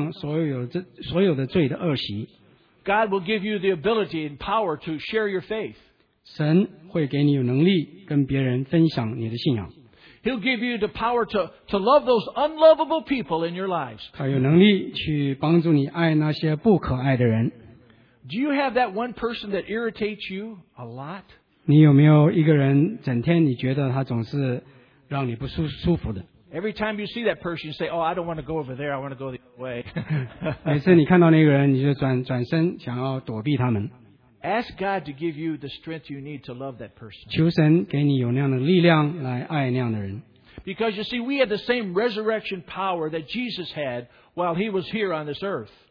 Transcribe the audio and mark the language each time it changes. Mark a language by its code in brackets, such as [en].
[zh] 我们有力量来克服我们身上所有的罪的恶习。God [en] will give you the ability and power to share your faith. [zh] 神会给你有能力跟别人分享你的信仰。 [en] He'll give you the power to love those unlovable people in your lives. [zh] 他有能力去帮助你爱那些不可爱的人。 [en] Do you have that one person that irritates you a lot? [zh] 你有没有一个人整天你觉得他总是让你不舒服的？ [en] Every time you see that person, you say, oh, I don't want to go over there, I want to go the other way. [zh] 每次你看到那个人，你就转身想要躲避他们。 [en] Ask God to give you the strength you need to love that person. [zh] 求神给你有那样的力量来爱那样的人。 [en] Because you see, we have the same resurrection power that Jesus had while He was here on this earth.